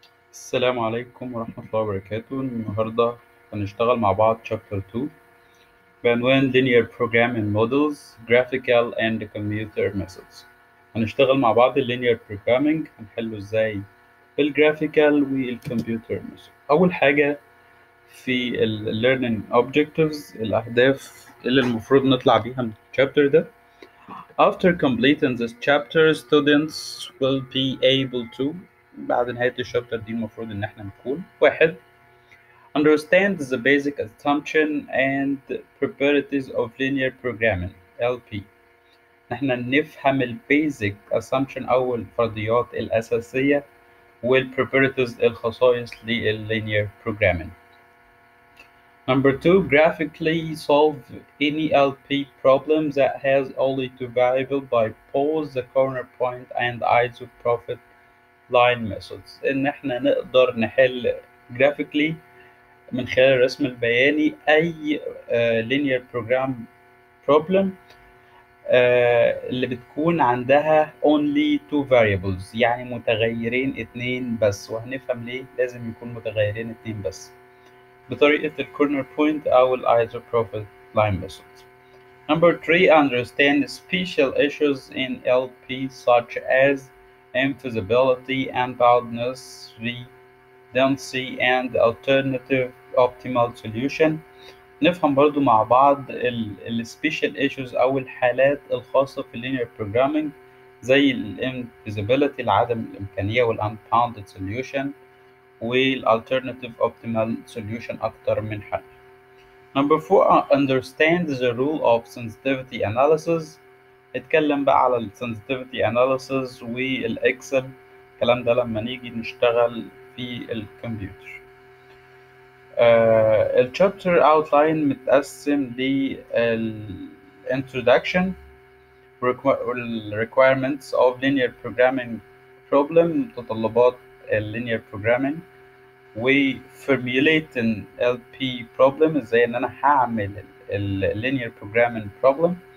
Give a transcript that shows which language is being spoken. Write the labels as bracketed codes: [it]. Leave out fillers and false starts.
[ar] السلام عليكم ورحمة الله وبركاته. النهاردة هنشتغل مع بعض [en] Chapter 2 بعنوان Linear Programming Models, Graphical and Commutator Methods. [ar] هنشتغل مع بعض Linear Programming هنحله ازاي بالGraphical والCommutator Methods. أول حاجة في Learning Objectives, الأهداف اللي المفروض نطلع بيها من Chapter ده. [en] After completing this chapter, students will be able to, [ar] بعد نهاية الشابتر دي المفروض ان احنا نقول 1. [en] Understand the basic assumption and properties of linear programming, LP. [ar] نحنا نفهم ال basic assumption او الفرضيات الاساسية والproperties الخصائص لل linear programming. [en] Number 2, graphically solve any LP problem that has only two variables by pose the corner point and isoprofit line methods. [ar] ان احنا نقدر نحل graphically من خلال الرسم البياني اي linear program problem اللي بتكون عندها only two variables, يعني متغيرين اتنين بس, وهنفهم ليه لازم يكون متغيرين اتنين بس بطريقة the corner point او isoprofit line methods. [en] Number 3, understand special issues in LP such as infeasibility and boundedness, redundancy and alternative optimal solution. [ar] نفهم برضو مع بعض ال special issues او الحالات الخاصة في linear programming زي ال infeasibility, العدم الإمكانية, وال unbounded solution وال alternative optimal solution أكتر من حل. [en] Number 4, understand the rule of sensitivity analysis. [ar] اتكلم بقى على الـ Sensitivity Analysis والـ Excel, الكلام ده لما نيجي نشتغل في الكمبيوتر. [en] الـ Chapter Outline متقسم للـ Introduction, Requirements of Linear Programming Problem, متطلبات الـ Linear Programming, و Formulating LP Problem, [ar] ازاي ان انا هعمل [en] الـ Linear Programming Problem.